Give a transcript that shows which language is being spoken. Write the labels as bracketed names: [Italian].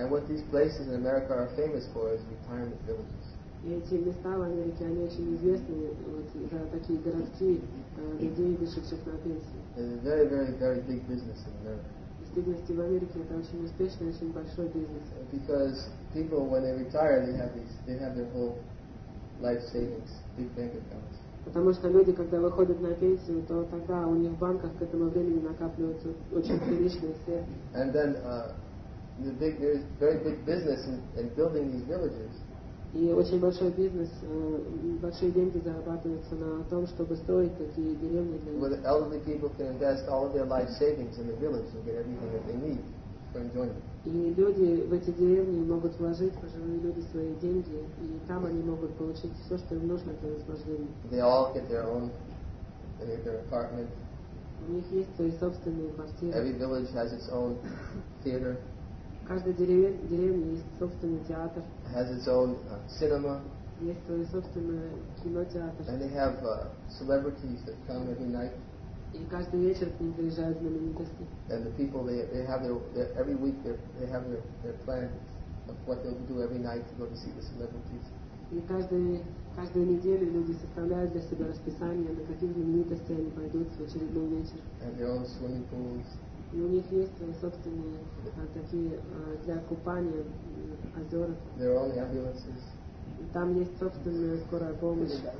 [English] And what these places in America are famous for is retirement villages. [Russian] И эти места в Америке, они очень известны вот, за такие городки людей, вышедших на пенсию. [English] Very, very, very big business in America. [Russian] В действительности в Америке это очень успешный, очень большой бизнес. [English] Because people, when they retire, they have their whole life savings, big bank accounts. [Russian] Потому что люди, когда выходят на пенсию, то тогда у них в банках к этому времени накапливаются очень приличные средства. И очень большой бизнес, большие деньги зарабатываются на том, чтобы строить такие деревни для людей. [English] Where elderly people can invest all of their life savings in the village and get everything that they need for enjoyment. [Russian] И люди в эти деревни могут вложить, пожилые люди, свои деньги, и там они могут получить все, что им нужно для наслаждения. [English] They all get their own, they get their apartment. [Russian] У них есть свои собственные квартиры. [English] Every village has its own theater. [Russian] Каждая деревня есть собственный театр. [English] Has its own cinema. [Russian] Есть свой собственный кинотеатр. [English] And they have celebrities that come every night. [Russian] И каждый вечер к ним приезжают знаменитости. [English] And the people they have their every week they have their plans of what they'll do every night to go to see the celebrities. [Russian] И каждую неделю люди составляют для себя расписание, на какие знаменитости они пойдут в очередной вечер. [English] And their own swimming pools. [Russian] И у них есть свои собственные такие для купания озера. [English] Their own ambulances. [Russian] И там есть собственная скорая помощь.